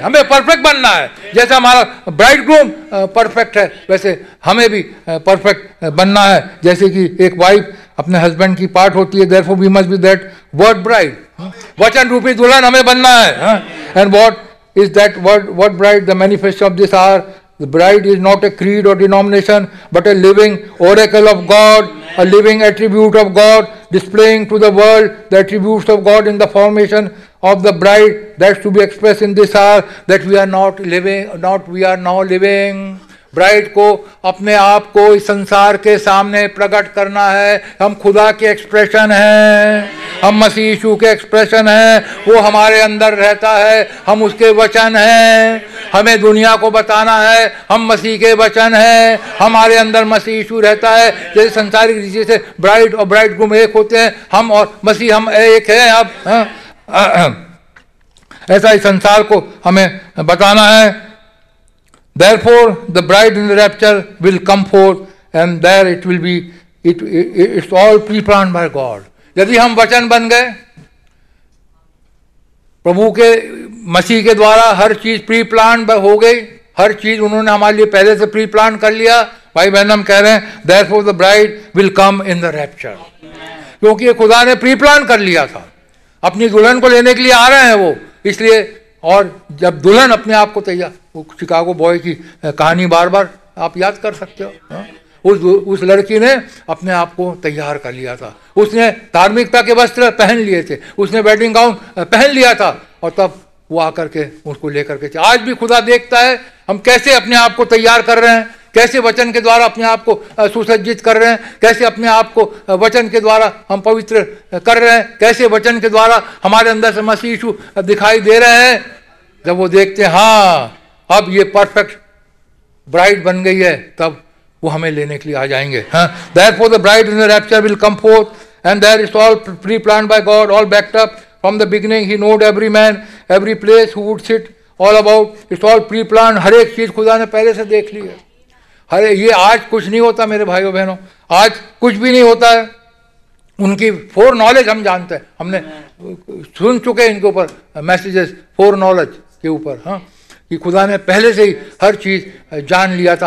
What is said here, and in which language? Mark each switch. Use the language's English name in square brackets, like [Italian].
[Hindi] हमें परफेक्ट बनना है जैसा हमारा ब्राइडग्रूम परफेक्ट है, वैसे हमें भी परफेक्ट बनना है. जैसे कि एक वाइफ अपने हस्बैंड की पार्ट होती है, [English] Therefore we must be that word bride. [Hindi] वचन रूपी दुल्हन हमें बनना है. [English] And what is that word word bride the manifesto of this hour. The bride is not a creed or denomination, but a living oracle of God, a living attribute of God, displaying to the world the attributes of God in the formation of the bride. That's to be expressed in this hour, that we are not living, not we are now living. [Hindi] Bride को अपने आप को इस संसार के सामने प्रकट करना है. हम खुदा के एक्सप्रेशन हैं, हम मसीह यीशु के एक्सप्रेशन हैं. वो हमारे अंदर रहता है, हम उसके वचन हैं. हमें दुनिया को बताना है हम मसीह के वचन हैं. हमारे अंदर मसीह यीशु रहता है. जैसे संसारिक रीति से ब्राइड और ब्राइडग्रूम एक होते हैं, हम और मसीह हम एक हैं. अब ऐसा इस संसार को हमें बताना है. [English] Therefore, the bride in the rapture will come forth, and there it will be. It's all pre-planned by God. [Hindi] यदि हम वचन बन गए, प्रभु के मसीह के द्वारा हर चीज pre-planned हो गई, हर चीज उन्होंने हमारे लिए पहले से pre-planned कर लिया. भाई बहन हम कह रहे हैं, [English] therefore the bride will come in the rapture. [Hindi] क्योंकि खुदा ने pre-planned कर लिया था, अपनी दुल्हन को लेने के लिए आ रहे हैं वो. इसलिए और जब दुल्हन अपने आप को तैयार, वो शिकागो बॉय की कहानी बार बार आप याद कर सकते हो. उस लड़की ने अपने आप को तैयार कर लिया था, उसने धार्मिकता के वस्त्र पहन लिए थे, उसने वेडिंग गाउन पहन लिया था, और तब वो आकर के उसको लेकर के. आज भी खुदा देखता है हम कैसे अपने आप को तैयार कर रहे हैं, कैसे वचन के द्वारा अपने आप को सुसज्जित कर रहे हैं, कैसे अपने आप को वचन के द्वारा हम पवित्र कर रहे हैं, कैसे वचन के द्वारा हमारे अंदर से मसीह यीशु दिखाई दे रहे हैं. जब वो देखते हैं हाँ अब ये परफेक्ट ब्राइड बन गई है, तब वो हमें लेने के लिए आ जाएंगे. [English] Therefore the bride in the rapture will come forth, and there is all pre-planned by God, all backed up from the beginning. He knowed every man, every place who would sit, all about. It's all pre-planned. [Hindi] हर एक चीज खुदा ने पहले से देख ली है. अरे ये आज कुछ नहीं होता मेरे भाइयों बहनों, आज कुछ भी नहीं होता है. उनकी फोर नॉलेज हम जानते हैं, हमने सुन चुके हैं इनके ऊपर मैसेजेस फोर नॉलेज के ऊपर, हाँ, कि खुदा ने पहले से ही हर चीज जान लिया था.